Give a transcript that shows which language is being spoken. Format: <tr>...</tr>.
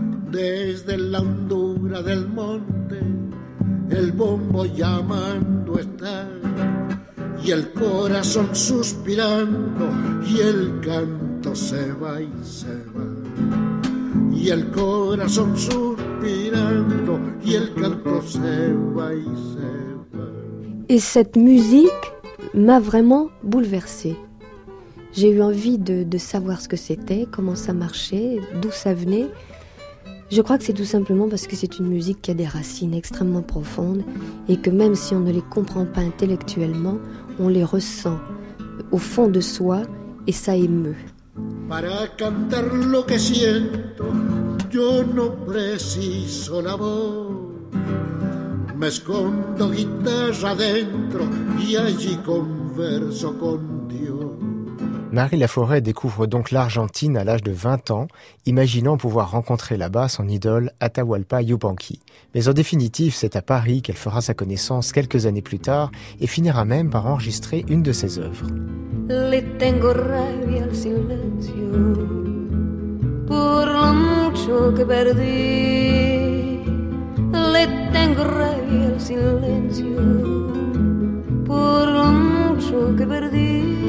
<es>Desde la hondura del monte, el bombo llamando está, y el corazón suspirando, y el canto se va y se va. Y el corazón suspirando, y el canto se va y se va.</es> <fr>¿Y cette musique m'a vraiment bouleversée? J'ai eu envie de savoir ce que c'était, comment ça marchait, d'où ça venait. Je crois que c'est tout simplement parce que c'est une musique qui a des racines extrêmement profondes et que même si on ne les comprend pas intellectuellement, on les ressent au fond de soi et ça émeut.</fr> <es>Para cantar lo que siento, yo no preciso la voz. Me escondo guitarra dentro y allí converso con Dios.</es> <fr>Marie Laforêt découvre donc l'Argentine à l'âge de 20 ans, imaginant pouvoir rencontrer là-bas son idole Atahualpa Yupanqui. Mais en définitive, c'est à Paris qu'elle fera sa connaissance quelques années plus tard et finira même par enregistrer une de ses œuvres.</fr> <es>Le tengo rabia al silencio por lo mucho que perdí. Le tengo rabia al silencio por lo mucho que perdí.</es>